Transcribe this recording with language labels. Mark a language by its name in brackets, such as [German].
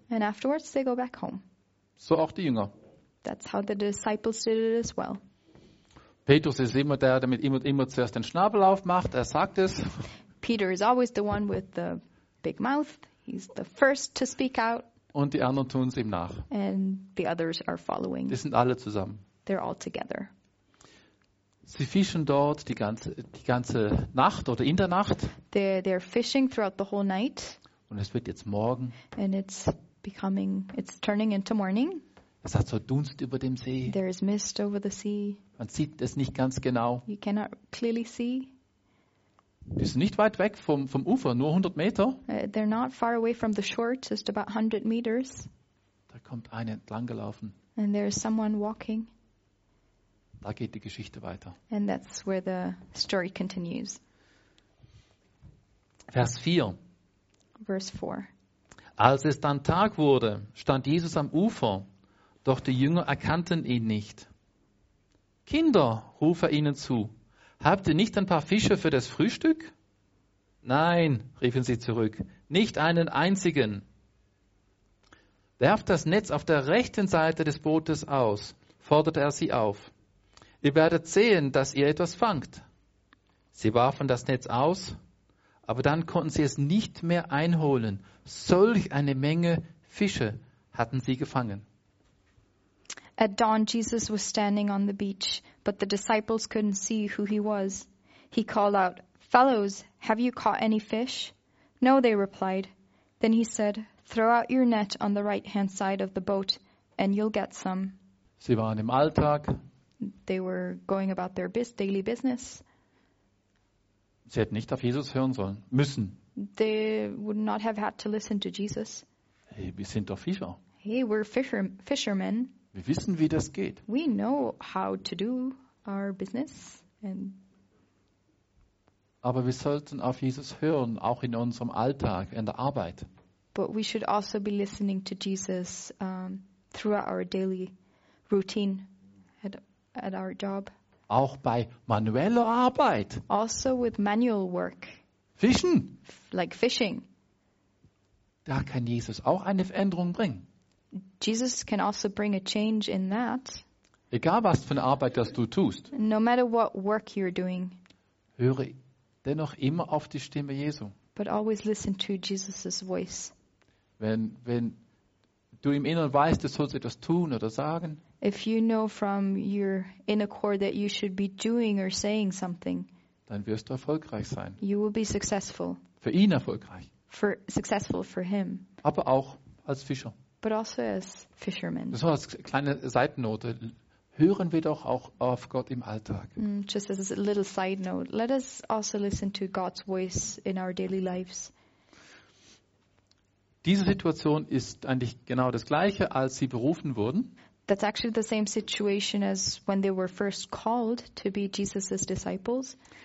[English] And afterwards they go back home. [German] So auch die Jünger. [English] That's how the disciples did it as well. [German] Petrus ist immer der, der immer zuerst den Schnabel aufmacht. Er sagt es. [English] Peter is always the one with the big mouth. He's the first to speak out. [German] Und die anderen tun es ihm nach. [English] And the others are following. [German] Die sind alle zusammen. [English] They're all together. [German] Sie fischen dort die ganze Nacht oder in der Nacht. [English] They're fishing throughout the whole night. [German] Und es wird jetzt morgen. [English] And it's turning into morning. [German] Es hat so Dunst über dem See. [English] There is mist over the sea. [German] Man sieht es nicht ganz genau. [English] You cannot clearly see. [German] Wir sind nicht weit weg vom Ufer, nur 100 Meter. [English] They're not far away from the shore, just about 100 meters. [German] Da kommt einer entlang gelaufen. [English] And there is someone walking. [German] Da geht die Geschichte weiter. [English] And that's where the story continues. [German] Vers 4. [English] Verse 4. [German] Als es dann Tag wurde, stand Jesus am Ufer, doch die Jünger erkannten ihn nicht. Kinder, rufe er ihnen zu, habt ihr nicht ein paar Fische für das Frühstück? Nein, riefen sie zurück, nicht einen einzigen. Werft das Netz auf der rechten Seite des Bootes aus, forderte er sie auf. Ihr werdet sehen, dass ihr etwas fangt. Sie warfen das Netz aus, aber dann konnten sie es nicht mehr einholen. Solch eine Menge Fische hatten sie gefangen. [English] At dawn, Jesus was standing on the beach, but the disciples couldn't see who he was. He called out, "Fellows, have you caught any fish?" "No," they replied. Then he said, "Throw out your net on the right-hand side of the boat, and you'll get some." [German] Sie waren im Alltag. [English] They were going about their daily business. [German] Sie hätten nicht auf Jesus hören sollen, müssen. [English] They would not have had to listen to Jesus. [German] Hey, wir sind doch Fischer. [English] Hey, we're fishermen. [German] Wir wissen, wie das geht. [English] We know how to do our business. [German] Aber wir sollten auf Jesus hören, auch in unserem Alltag, in der Arbeit. [English] But we should also be listening to Jesus throughout our daily routine at our job. [German] Auch bei manueller Arbeit. [English] Also with manual work. [German] Fischen. [English] Like fishing. [German] Da kann Jesus auch eine Veränderung bringen. [English] Jesus can also bring a change in that. [German] Egal was für eine Arbeit, das du tust. [English] No matter what work you're doing. [German] Höre dennoch immer auf die Stimme Jesu. [English] But always listen to Jesus' voice. [German] Wenn du im Inneren weißt, du sollst etwas tun oder sagen. [English] If you know from your inner core that you should be doing or saying something. [German] Dann wirst du erfolgreich sein. [English] You will be successful. [German] Für ihn erfolgreich. [English] For successful for him. [German] Aber auch als Fischer. [English] But also as fishermen. [German] So als kleine Seitennote, hören wir doch auch auf Gott im Alltag. [English] Just as a little side note, let us also listen to God's voice in our daily lives. [German] Diese Situation ist eigentlich genau das gleiche, als sie berufen wurden. [English] That's actually the same situation as when they were first called to be Jesus' disciples.